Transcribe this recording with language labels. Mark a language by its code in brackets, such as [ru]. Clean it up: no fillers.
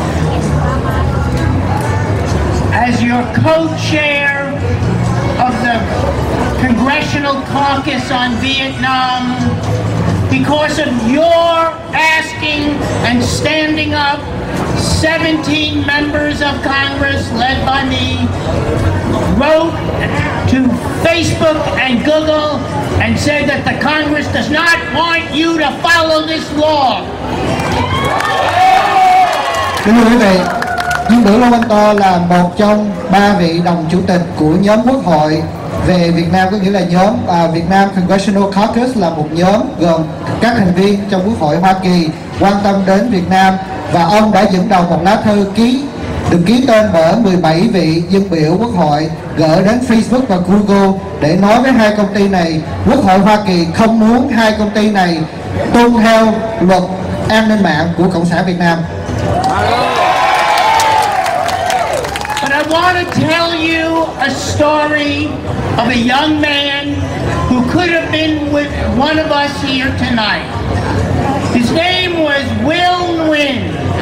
[en] As your co-chair of the Congressional Caucus on Vietnam, because of your asking and standing up, 17 members of Congress, led by me, wrote to Facebook and Google and said that the Congress does not want you to follow this law. [vi] Chính phủ Lê Văn To là một trong ba vị đồng chủ tịch của nhóm quốc hội về Việt Nam, có nghĩa là nhóm Việt Nam Congressional Caucus là một nhóm gồm các thành viên trong quốc hội Hoa Kỳ quan tâm đến Việt Nam, và ông đã dẫn đầu một lá thư được ký tên bởi 17 vị dân biểu quốc hội gửi đến Facebook và Google để nói với hai công ty này, quốc hội Hoa Kỳ không muốn hai công ty này tuân theo luật an ninh mạng của Cộng sản Việt Nam. [en] I want to tell you a story of a young man who could have been with one of us here tonight. His name was Will Nguyen.